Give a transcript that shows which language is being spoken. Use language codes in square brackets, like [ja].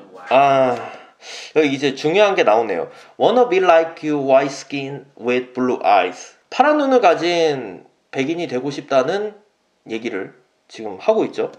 [ko] 아, 여기 이제 중요한 게 나오네요. [en] Wanna be like you, white skin with blue eyes. [ko] 파란 눈을 가진 백인이 되고 싶다는 얘기를 지금 하고 있죠.